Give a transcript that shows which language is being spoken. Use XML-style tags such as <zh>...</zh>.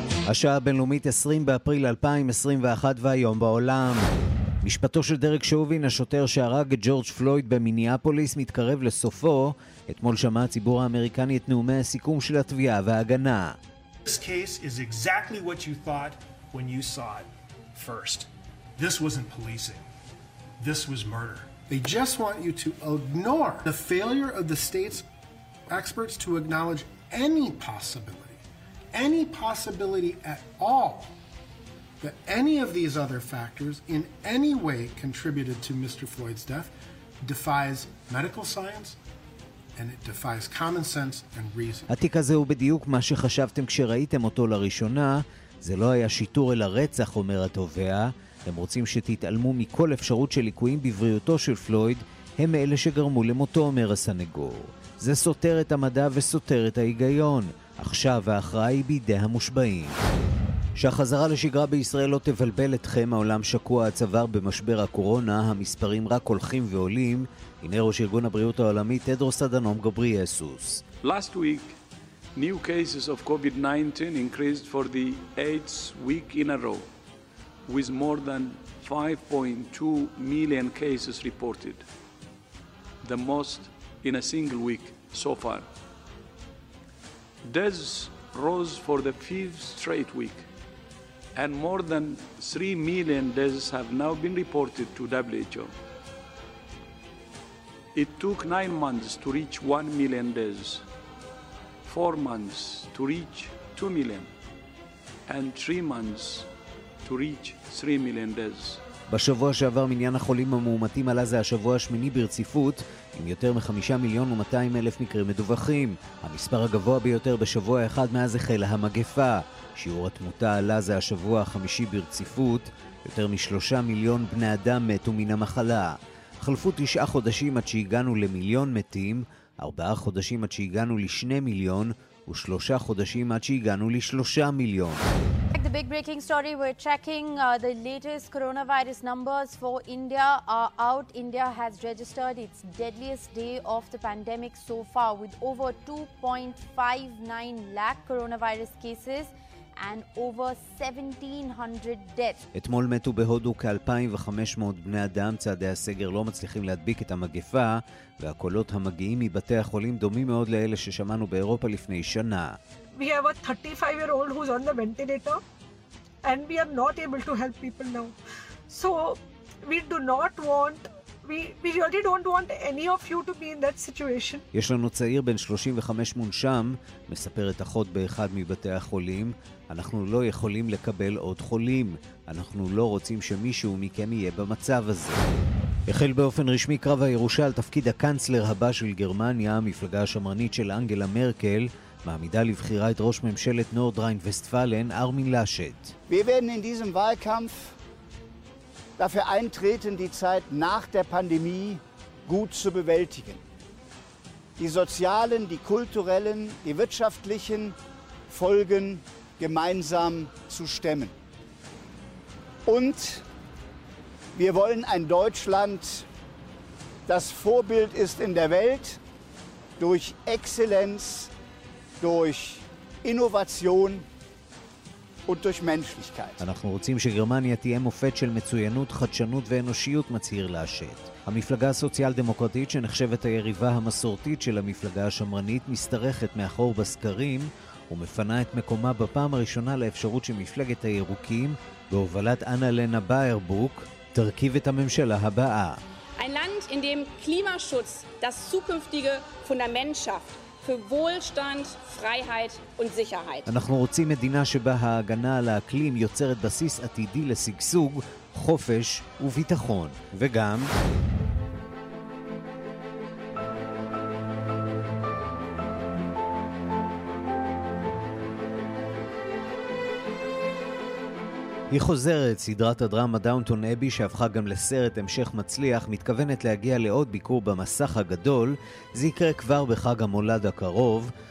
<he>השעה הבינלאומית 20 באפריל 2021 והיום בעולם. משפטו של דרק שאובין, השוטר שהרג את ג'ורג' פלויד במיניאפוליס, מתקרב לסופו. אתמול שמע הציבור האמריקני את נאומי הסיכום של התביעה וההגנה.</he> <en>This case is exactly what you thought when you saw it first. This wasn't policing. This was murder. They just want you to ignore the failure of the state's experts to acknowledge any possibility. Any possibility at all that any of these other factors in any way contributed to Mr. Floyd's death defies medical science and it defies common sense and reason.</en> <he>התיק הזה הוא בדיוק מה שחשבתם כשראיתם אותו לראשונה. זה לא היה שיטור אל הרצח, אומר התובע. הם רוצים שתתעלמו מכל אפשרות של ליקויים בבריאותו של פלויד. הם אלה שגרמו למותו, אומר הסנגור. זה סותר את המדע וסותר את ההיגיון. עכשיו ההכרעה היא בידי המושבעים. שהחזרה לשגרה בישראל לא תבלבל אתכם, העולם שקוע הצוואר במשבר הקורונה, המספרים רק הולכים ועולים. הנה ראש ארגון הבריאות העולמי, טדרוס אדנום גבריאסוס.</he> <en>Last week, new cases of COVID-19 increased for the 8th week in a row, with more than 5.2 million cases reported. The most in a single week so far. Deaths rose for the 5th straight week and more than 3 million deaths have now been reported to WHO. It took 9 months to reach 1 million deaths, 4 months to reach 2 million and 3 months to reach 3 million deaths.</en> <he>בשבוע שעבר מניין החולים המאומתים עלה, זה השבוע השמיני ברציפות, עם יותר מ5,200,000 מקרים מדווחים. המספר הגבוה ביותר בשבוע אחד מאז החלה המגפה. שיעור התמותה עלה, זה השבוע החמישי ברציפות. יותר מ3 מיליון בני אדם מתו מן המחלה. חלפו 9 חודשים עד שהגענו למיליון מתים, 4 חודשים עד שהגענו ל2 מיליון, ו3 חודשים עד שהגענו ל3 מיליון.</he> <en>The big breaking story, we're checking the latest coronavirus numbers for India are out. India has registered its deadliest day of the pandemic so far with over 2.59 lakh coronavirus cases and over 1700 deaths.</en> <he>אתמול מתו בהודו כ-2500 בני אדם. צעדי הסגר לא מצליחים להדביק את המגפה, והקולות המגיעים מבתי החולים דומים מאוד לאלה ששמענו באירופה לפני שנה.</he> <en>We have a 35-year-old who's on the ventilator and we are not able to help people now. So we do not want, we really don't want any of you to be in that situation.</en> <he>יש לנו צעיר בן 35 מונשם, מספר את אחות באחד מבתי החולים. אנחנו לא יכולים לקבל עוד חולים. אנחנו לא רוצים שמישהו מכם יהיה במצב הזה. החל באופן רשמי קרב הירושה על תפקיד הקנצלר הבא של גרמניה. המפלגה השמרנית של אנגלה מרקל מעמידה לבחירה את ראש ממשלת נורדריין וסטפלן ארמין לאשט.</he> <de>Wir werden in diesem Wahlkampf dafür eintreten, die Zeit nach der Pandemie gut zu bewältigen. Die sozialen, die kulturellen, die wirtschaftlichen Folgen gemeinsam zu stemmen. Und wir wollen ein Deutschland, das Vorbild ist in der Welt durch Exzellenz, durch Innovation und durch Menschlichkeit.</de> <he>אנחנו רוצים שגרמניה תהיה מופת של מצוינות, חדשנות ואנושיות, מצהיר לאשט. המפלגה הסוציאל דמוקרטית, שנחשבת היריבה המסורתית של המפלגה השמרנית, מסתרכת מאחור בסקרים ומפנה את מקומה בפעם הראשונה לאפשרות שמפלגת הירוקים בהובלת אנה לנה באיירבוק תרכיב את הממשלה הבאה.</he> <de>Ein Land, in dem Klimaschutz das zukünftige Fundament schafft für Wohlstand, Freiheit und Sicherheit.</de> <he>אנחנו רוצים מדינה שבה ההגנה על האקלים יוצרת בסיס עתידי לשגשוג, חופש וביטחון. וגם היא חוזרת, סדרת הדרמה דאונטון אבי, שהפכה גם לסרט המשך מצליח, מתכוונת להגיע לעוד ביקור במסך הגדול. זה יקרה כבר בחג המולד הקרוב.</he>